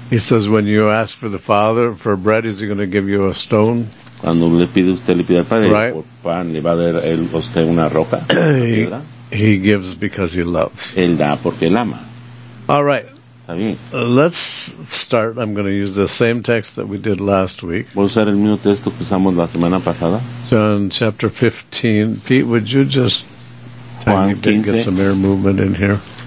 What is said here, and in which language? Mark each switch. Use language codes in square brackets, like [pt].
[en] he says, when you ask for the Father for bread, is he going to give you a stone? [es] Cuando le pide usted, le pide al Padre, [en] right. [es] Por pan, le va a dar él, usted una roca. [en] He gives because he loves. [es] Él da porque él ama. [en] All right. [es] Está bien. [en] Let's start. I'm going to use the same text that we did last week. [es] Voy a usar el mismo texto que usamos la semana pasada. [en] John chapter 15. Pete, would you just get some air movement in here.